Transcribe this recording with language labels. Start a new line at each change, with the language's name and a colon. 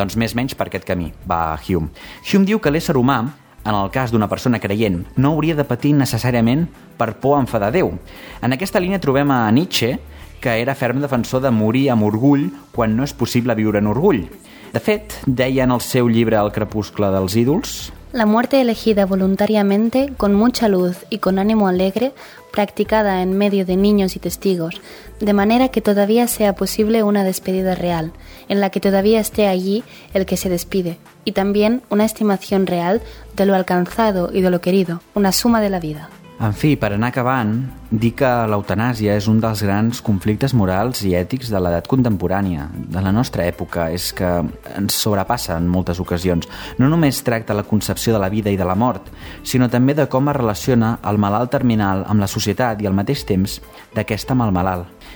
Catalan: Doncs més menys per aquest camí va Hume. Hume diu que l'ésser humà, en el cas d'una persona creient, no hauria de patir necessàriament per por a enfadar Déu. En aquesta línia trobem a Nietzsche, que era ferm defensor de morir amb orgull quan no és possible viure en orgull. De fet, deia en el seu llibre El crepuscle dels ídols:
Spanish: la muerte elegida voluntariamente, con mucha luz y con ánimo alegre, practicada en medio de niños y testigos, de manera que todavía sea posible una despedida real, en la que todavía esté allí el que se despide, y también una estimación real de lo alcanzado y de lo querido, una suma de la vida.
Catalan: En fi, per anar acabant, dir que l'eutanàsia és un dels grans conflictes morals i ètics de l'edat contemporània, de la nostra època, és que ens sobrepassa en moltes ocasions. No només tracta la concepció de la vida i de la mort, sinó també de com es relaciona el malalt terminal amb la societat i al mateix temps d'aquesta amb el malalt.